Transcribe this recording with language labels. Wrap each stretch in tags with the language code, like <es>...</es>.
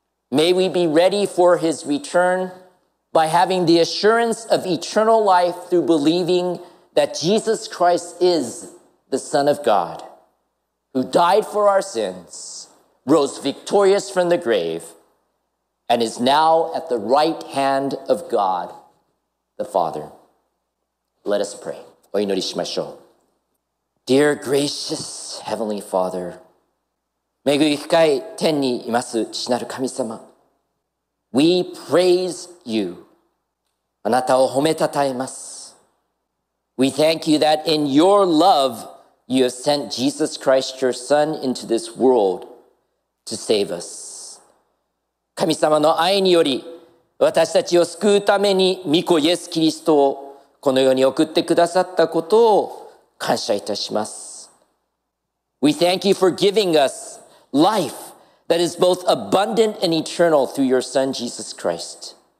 <en>May we be ready for his return by having the assurance of eternal life through believing that Jesus Christ is the Son of God, who died for our sins, rose victorious from the grave, and is now at the right hand of God, the Father. Let us pray.</en> <ja>お祈りしましょう.</ja> <en>Dear gracious Heavenly Father,</en> <ja>恵み深い天にいます父なる神様,</ja> <en>we praise you.</en> <ja>あなたを褒めたたえます.</ja> <en>We thank you that in your love, you have sent Jesus Christ, your Son, into this world to save us.</en> <ja>神様の愛により私たちを救うために御子イエスキリストをこの世に送ってくださったことを感謝いたします.</ja> <en>We thank you for giving us life that is both abundant and eternal through your Son, Jesus Christ.</en>